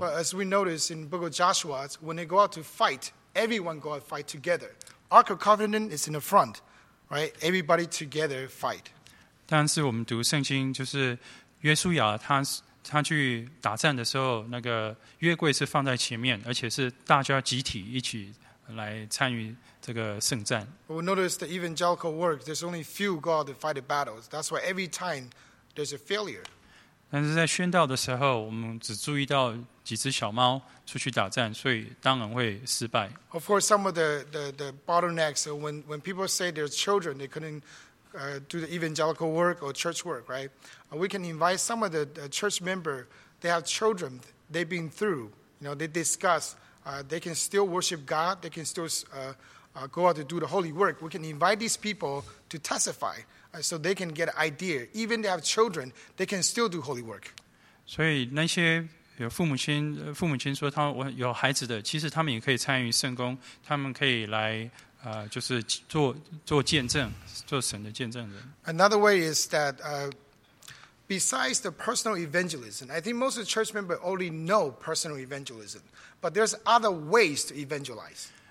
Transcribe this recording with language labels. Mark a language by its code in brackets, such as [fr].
[en] But as we notice in Book of Joshua, when they go out to fight, everyone go out to fight together. Ark of Covenant is in the front, right? Everybody together fight. [zh] 但是我们读圣经，就是约书亚他去打战的时候，那个约柜是放在前面，而且是大家集体一起来参与。 [en] We notice the evangelical work. There's only few go out to fight the battles. That's why every time there's a failure. [zh] 但是在宣道的时候，我们只注意到几只小猫出去打仗，所以当然会失败。 [en] Of course, some of the bottlenecks. When people say their children, they couldn't do the evangelical work or church work, right? We can invite some of the church member. They have children. They've been through. You know, they discuss. They can still worship God. They can still go out to do the holy work. We can invite these people to testify so they can get an idea. Even if they have children, they can still do holy work. [zh] 所以那些有父母亲说他们有孩子的，其实他们也可以参与圣工，他们可以来就是做见证，做神的见证人。 [en] Another way is that besides the personal evangelism, I think most of the church members already know personal evangelism, but there's other ways to evangelize.